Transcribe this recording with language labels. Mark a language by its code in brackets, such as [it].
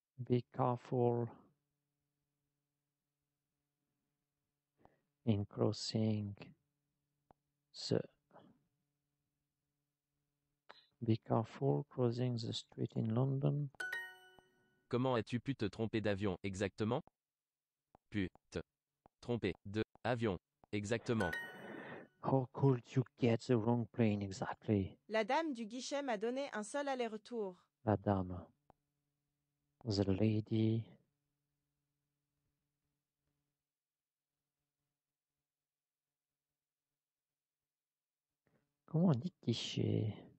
[en] Be careful in crossing the. Be careful crossing the street in London. [fr] Comment as-tu pu te tromper d'avion exactement? Pu te tromper de avion exactement. [en] How could you get the wrong plane exactly? [fr] La dame du guichet m'a donné un seul aller-retour. La dame. [en] The lady. [fr] Comment on dit guichet?